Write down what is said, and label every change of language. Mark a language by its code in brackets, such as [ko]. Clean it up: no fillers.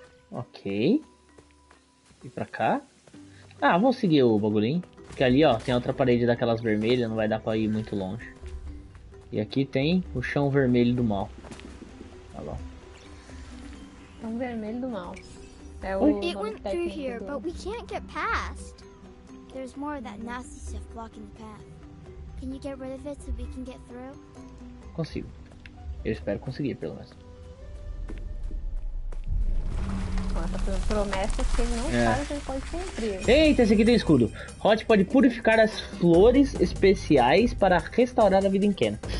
[pt] Ok. E pra cá? Ah, vamos seguir o bagulhinho. Porque ali, ó, tem outra parede daquelas vermelhas, não vai dar pra ir muito longe. E aqui tem o chão vermelho do mal. Tá bom. Chão vermelho do mal. [en] It went through here, but we can't get past. There's more of that nasty stuff blocking the path. Can you get rid of it so we can get through? [pt] Consigo. Eu espero conseguir, pelo menos. Essa promessa que não sabe que ele pode cumprir. Eita, esse aqui tem escudo. Hot pode purificar as flores especiais para restaurar a vida em Kena.